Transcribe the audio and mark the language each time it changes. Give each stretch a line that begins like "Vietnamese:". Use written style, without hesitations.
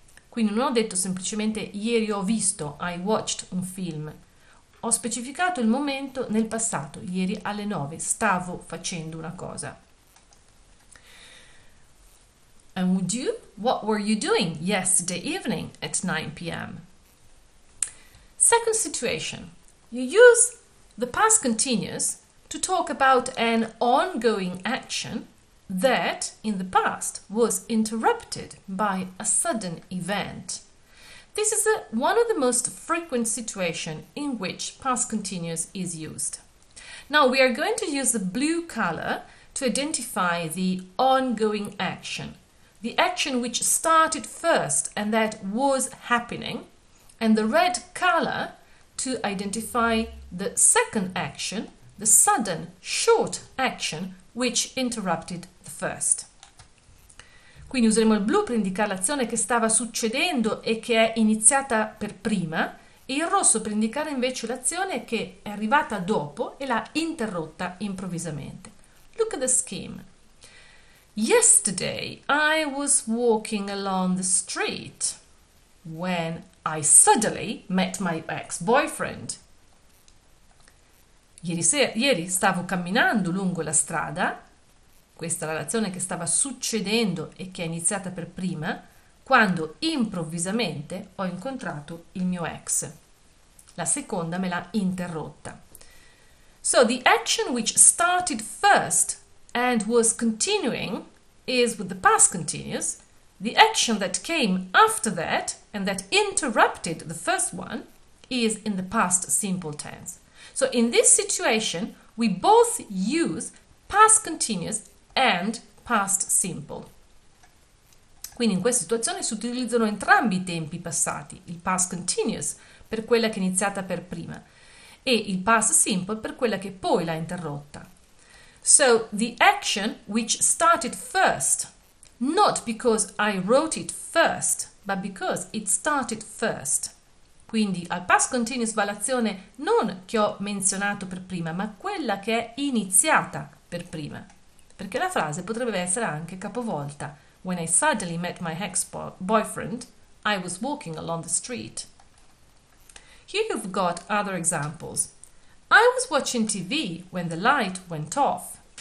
Italian: Quindi non ho detto semplicemente, ieri ho visto,
English: I watched
Italian: un film. Ho specificato il momento nel passato, ieri alle 9, stavo facendo una cosa.
English: And would you? What were you doing yesterday evening at 9 p.m? Second situation. You use the past continuous to talk about an ongoing action that, in the past, was interrupted by a sudden event. This is one of the most frequent situations in which past continuous is used. Now we are going to use the blue color to identify the ongoing action. The action which started first and that was happening, and the red color to identify the second action, the sudden, short action which interrupted the first.
Italian: Quindi useremo il blu per indicare l'azione che stava succedendo e che è iniziata per prima, e il rosso per indicare invece l'azione che è arrivata dopo e l'ha interrotta improvvisamente.
English: Look at the scheme. Yesterday I was walking along the street when I suddenly met my ex-boyfriend.
Italian: Ieri stavo camminando lungo la strada. Questa è la relazione che stava succedendo e che è iniziata per prima, quando improvvisamente ho incontrato il mio ex. La seconda me l'ha interrotta.
English: So the action which started first and was continuing is with the past continuous. The action that came after that and that interrupted the first one is in the past simple tense. So in this situation, we both use past continuous and past simple.
Italian: Quindi in questa situazione si utilizzano entrambi i tempi passati, il past continuous per quella che è iniziata per prima e il past simple per quella che poi l'ha interrotta.
English: So the action which started first, not because I wrote it first, but because it started first.
Italian: Quindi al past continuous va l'azione non che ho menzionato per prima, ma quella che è iniziata per prima. Perché la frase potrebbe essere anche capovolta.
English: When I suddenly met my ex-boyfriend, I was walking along the street. Here you've got other examples. I was watching TV when the light went off.